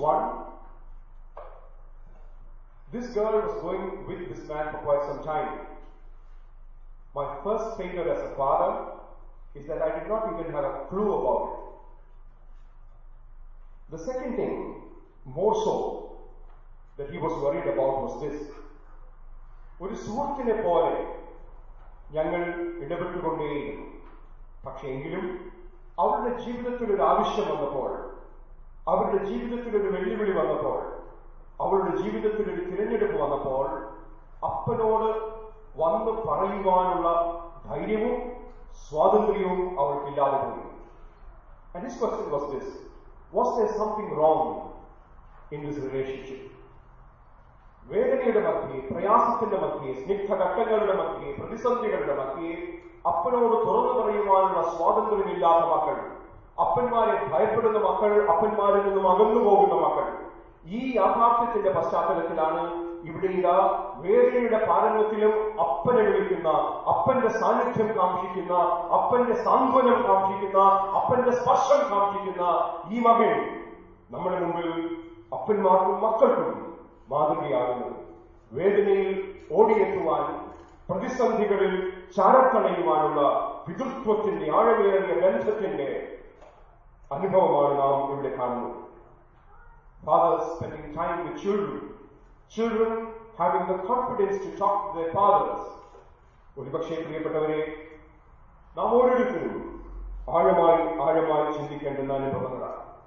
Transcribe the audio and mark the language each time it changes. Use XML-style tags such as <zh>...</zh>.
<en>One, this girl was going with this man for quite some time. My first failure as a father is that I did not even have a clue about it. The second thing, more so, that he was worried about was this.</en> <ml>ഒരു സുഹൃത്തിനെ പോലെ ഞങ്ങൾ ഇടപെട്ടുകൊണ്ടേയിരുന്നു. പക്ഷേങ്കിലും അവരുടെ ജീവിതത്തിലൊരു ആവശ്യം വന്നപ്പോൾ, അവരുടെ ജീവിതത്തിലൊരു വെല്ലുവിളി വന്നപ്പോൾ, അവരുടെ ജീവിതത്തിലൊരു തിരഞ്ഞെടുപ്പ് വന്നപ്പോൾ, അപ്പനോട് വന്ന് പറയുവാനുള്ള ധൈര്യവും സ്വാതന്ത്ര്യവും അവർക്കില്ലാതെ പോയി.</ml> <en>And his question was this, was there something wrong in this relationship?</en> <ml>വേദനയുടെ മധ്യയെ, പ്രയാസത്തിന്റെ മധ്യയെ, സ്നിഗ്ധഘട്ടങ്ങളുടെ മധ്യയെ, പ്രതിസന്ധികളുടെ മധ്യയെ അപ്പനോട് തുറന്നു പറയുവാനുള്ള സ്വാതന്ത്ര്യമില്ലാത്ത മക്കൾ, അപ്പന്മാരെ ഭയപ്പെടുന്ന മക്കൾ, അപ്പന്മാരിൽ നിന്നും അകന്നു പോകുന്ന മക്കൾ, ഈ യാഥാർത്ഥ്യത്തിന്റെ പശ്ചാത്തലത്തിലാണ് ഇവിടെ ഇതാ വേദനയുടെ പാരമ്യത്തിലും അപ്പനെ വിളിക്കുന്ന, അപ്പന്റെ സാന്നിധ്യം കാംക്ഷിക്കുന്ന, അപ്പന്റെ സാന്ത്വനം കാംക്ഷിക്കുന്ന, അപ്പന്റെ സ്പർശം കാംക്ഷിക്കുന്ന ഈ മകൻ നമ്മുടെ മുമ്പിൽ അപ്പന്മാർക്കും മക്കൾക്കും മാതൃകയാകുന്നു. വേദനയിൽ ഓടിയെത്തുവാൻ, പ്രതിസന്ധികളിൽ ചാരത്തണയുവാനുള്ള പിതൃത്വത്തിന്റെ ആഴമേറിയ ബന്ധത്തിന്റെ അനുഭവമാണ് നാം ഇവിടെ കാണുന്നത്.</ml> <en>Fathers spending time with children, children having the confidence to talk to their fathers.</en> <ml>ഒരുപക്ഷേ പ്രിയപ്പെട്ടവരെ, നാം ഓരോരുത്തരും ആഴമായി ആഴമായി ചിന്തിക്കേണ്ടുന്ന അനുഭവങ്ങളാണ്.</ml>